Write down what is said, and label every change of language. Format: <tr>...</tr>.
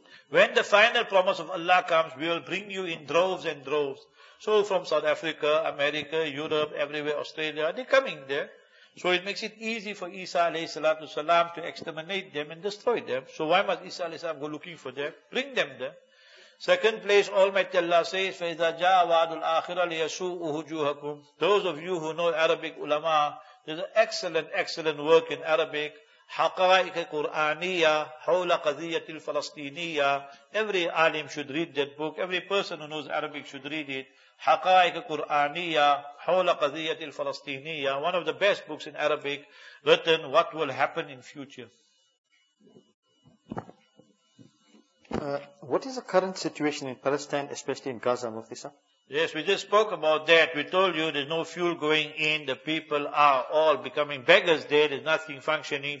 <en>When the final promise of Allah comes, we will bring you in droves and droves. So from South Africa, America, Europe, everywhere, Australia, they're coming there. So it makes it easy for Isa alayhi salatu salam to exterminate them and destroy them. So why must Isa alayhi salam go looking for them? Bring them there.</en> <ar>Second place, Almighty Allah says, فَإِذَا جَاءَ وَعَدُ الْآخِرَةِ لِيَسُوءُ وُجُوهَكُمْ.</ar> <en>Those of you who know Arabic ulama, there's an excellent, excellent work in Arabic.</en> <ar>حقائق قرآنية حول قضية الفلسطينية.</ar> <en>Every alim should read that book. Every person who knows Arabic should read it.</en> <ar>حقائق قرآنية حول قضية الفلسطينية.</ar> <en>One of the best books in Arabic written what will happen in future. What is the current situation in Palestine, especially in Gaza, Muftisa? Yes, we just spoke about that. We told you there's no fuel going in. The people are all becoming beggars there. There's nothing functioning.</en>